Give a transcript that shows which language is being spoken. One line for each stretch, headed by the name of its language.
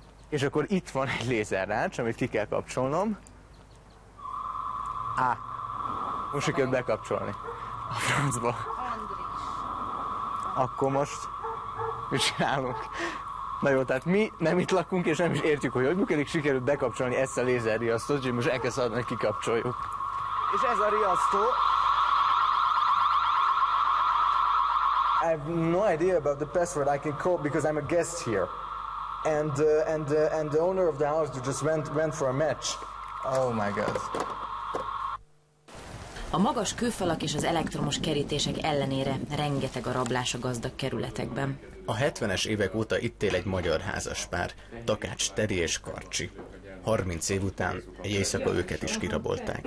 Hungarian: És akkor itt van egy lézerrács, amit ki kell kapcsolnom. Á, most sikerült bekapcsolni a francba. Akkor most mit csinálunk? Na jó, tehát mi nem itt lakunk, és nem is értjük, hogy hogy működik, sikerült bekapcsolni ezt a lézerriasztót, úgyhogy most el kell szabadni, hogy kikapcsoljuk. És ez a riasztó.
English: I have no idea about the password I can call because I'm a guest here. And the owner of the house just went for a match. Oh my god.
Hungarian: A magas kőfalak és az elektromos kerítések ellenére rengeteg a rablás a gazdag kerületekben. A 70-es évek óta itt él egy magyar házaspár, Takács Teri és Karcsi. 30 év után egy éjszaka őket is kirabolták.